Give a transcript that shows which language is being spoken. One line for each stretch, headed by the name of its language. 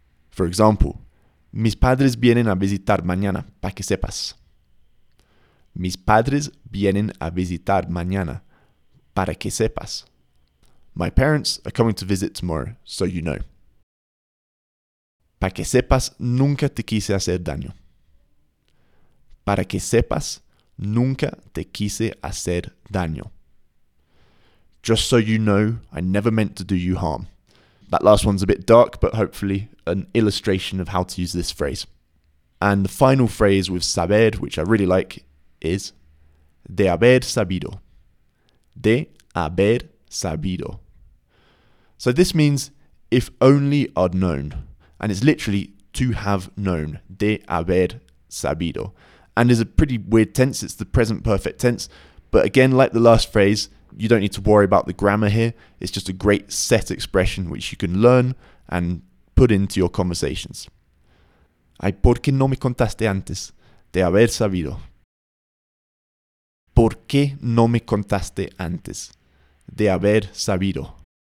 Spanish: For example, mis padres vienen a visitar mañana, pa' que sepas. Mis padres vienen a visitar mañana, para que sepas.
English: My parents are coming to visit tomorrow, so you know.
Spanish: Pa' que sepas, nunca te quise hacer daño. Para que sepas, nunca te quise hacer daño.
English: Just so you know, I never meant to do you harm. That last one's a bit dark, but hopefully an illustration of how to use this phrase. And the final phrase with saber, which I really like, is de haber sabido. De haber sabido. So this means if only I'd known. And it's literally to have known. De haber sabido. And is a pretty weird tense. It's the present perfect tense. But again, like the last phrase, you don't need to worry about the grammar here. It's just a great set expression which you can learn and put into your conversations.
Spanish: Ay, ¿por qué no me contaste antes de haber sabido? ¿Por qué no me contaste antes de haber sabido?